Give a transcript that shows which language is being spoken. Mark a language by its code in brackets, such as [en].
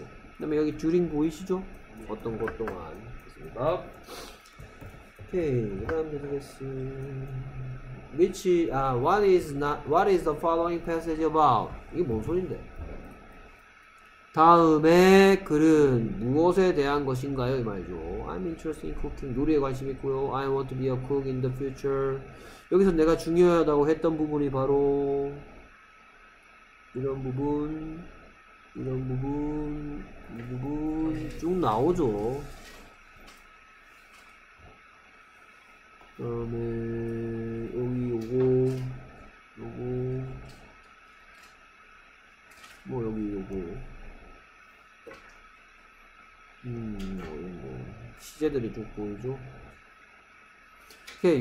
[ko] 그 다음에 여기 during 보이시죠? 어떤 것 동안 됐습니다. 오케이. 그 다음 되겠습니다. [en] Which what is the following passage about? [ko] 이게 뭔 소린데? 다음에 글은 무엇에 대한 것인가요? 이 말이죠. [en] I'm interested in cooking. [ko] 요리에 관심 있고요. [en] I want to be a cook in the future. [ko] 여기서 내가 중요하다고 했던 부분이 바로 이런 부분, 이런 부분, 이 부분 쭉 나오죠. 그 다음에 여기 요거 요거 뭐 여기 요거 뭐 이거 시제들이 쭉 보이죠. 오케이.